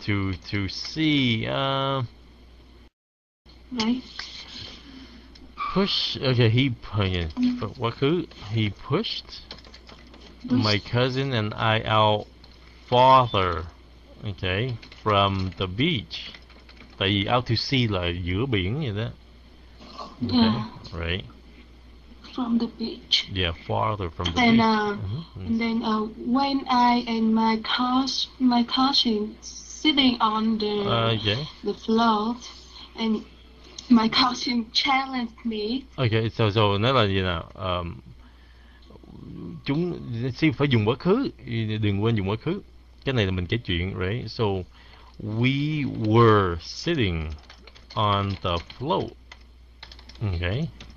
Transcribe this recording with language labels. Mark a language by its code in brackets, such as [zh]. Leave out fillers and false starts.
[en] To sea. Right. Push. Okay. He pushed. He pushed. My cousin and I out farther, okay, from the beach. [vi] Tại vì [en] out to sea [vi] là giữa biển vậy đó. [en] Okay, yeah. Right. From the beach. Yeah, farther from the and, beach. And then when I and my cousin sitting on the the float, and my cousin challenged me. Okay, so [vi] nó là gì nào? Chúng xin phải dùng quá khứ, đừng quên dùng quá khứ. Cái này là mình kể chuyện, right? [en] So we were sitting on the float. Okay.